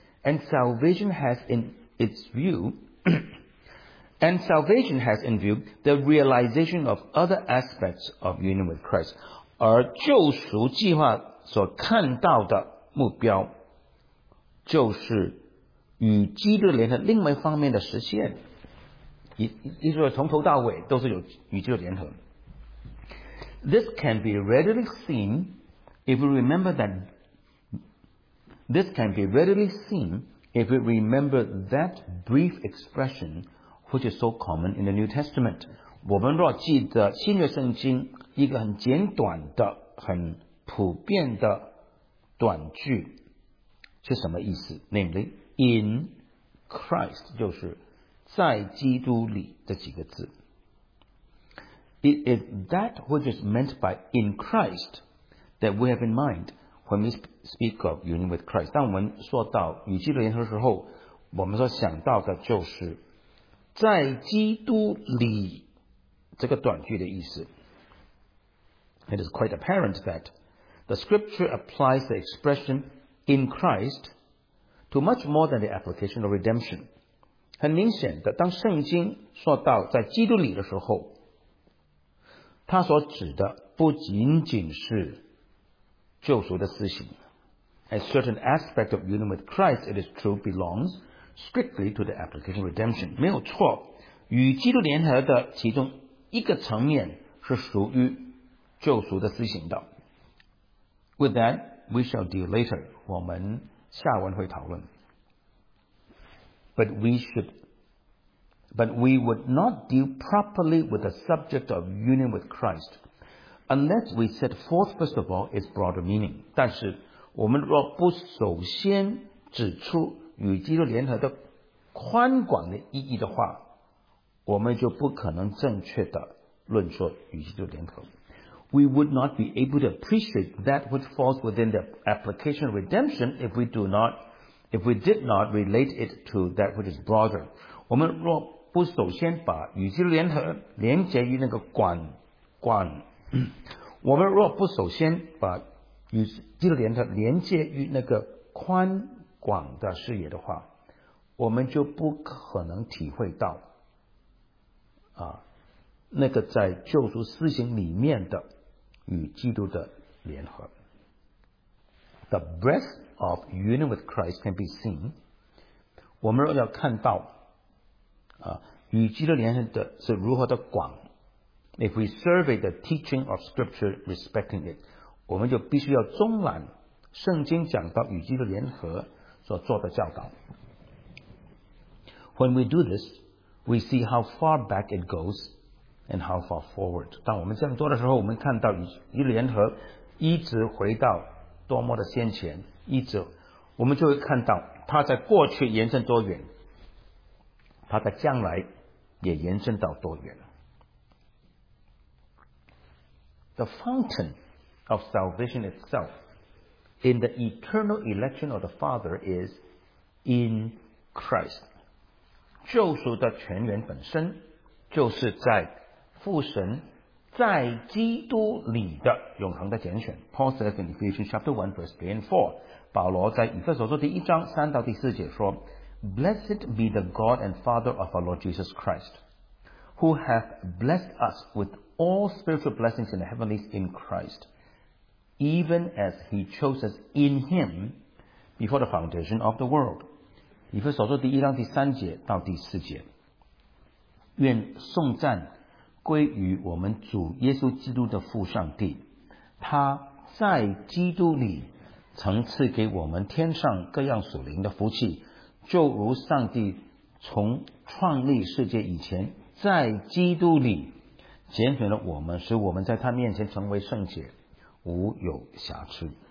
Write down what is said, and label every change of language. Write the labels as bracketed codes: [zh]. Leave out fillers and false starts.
[en] And salvation has in its view, and salvation has in view the realization of other aspects of union with Christ. [zh] 而救赎计划所看到的目标就是与基督联合另外一方面的实现，也就是从头到尾都是有与基督联合。 [en] This can be readily seen if we remember that brief expression which is so common in the New Testament. [zh] 我们若记得新约圣经一个很简短的、很普遍的短句是什么意思？ [en] namely in Christ [zh] 就是在基督里这几个字。 [en] It is that which is meant by in Christ that we have in mind when we speak of union with Christ。 [zh] 当我们说到与基督联合的时候，我们所想到的就是在基督里这个短句的意思。 [en] It is quite apparent that the scripture applies the expression in Christ to much more than the application of redemption。 [zh] 很明显的，当圣经说到在基督里的时候，它所指的不仅仅是救赎的事情。 [en] A certain aspect of union with Christ, it is true, belongs strictly to the application of redemption。 [zh] 没有错，与基督联合的其中一个层面是属于救赎的施行的。 [en] With that, we shall deal later， [zh] 我们下文会讨论。 [en] But we would not deal properly with the subject of union with Christ unless we set forth first of all its broader meaning。 [zh] 但是我们若不首先指出与基督联合的宽广的意义的话，我们就不可能正确的论说与基督联合。 [en] We would not be able to appreciate that which falls within the application of redemption if we did not relate it to that which is broader。 [zh] 我们若不首先把与基督联合连接于那个广，我们若不首先把与基督联合连接于那个宽广的视野的话，我们就不可能体会到那个在救赎施行里面的与基督的联合。 [en] The breadth of union with Christ can be seen， [zh] 我们要看到与基督联合的是如何的广。 [en] If we survey the teaching of scripture respecting it， [zh] 我们就必须要纵览圣经讲到与基督联合所做的教导。 [en] When we do this，We see how far back it goes and how far forward。 [zh] 当我们这样做的时候，我们看到与基督联合一直回到多么的先前，一直我们就会看到它在过去延伸多远，它在将来也延伸到多远。 [en] The fountain of salvation itself in the eternal election of the Father is in Christ。 [zh] 救赎的泉源本身就是在父神在基督里的永恒的拣选。 [en] Paul says in Ephesians chapter 1 verse 3 and 4， [zh] 保罗在以弗所书第一章三到第四节说， [en] Blessed be the God and Father of our Lord Jesus Christ who hath blessed us with all spiritual blessings in the heavenlies in Christ even as he chose us in him before the foundation of the world。 [zh] 以弗所书第一章第三节到第四节，愿颂赞归于我们主耶稣基督的父上帝，他在基督里曾赐给我们天上各样属灵的福气，就如上帝从创立世界以前在基督里拣选了我们，使我们在他面前成为圣洁无有瑕疵。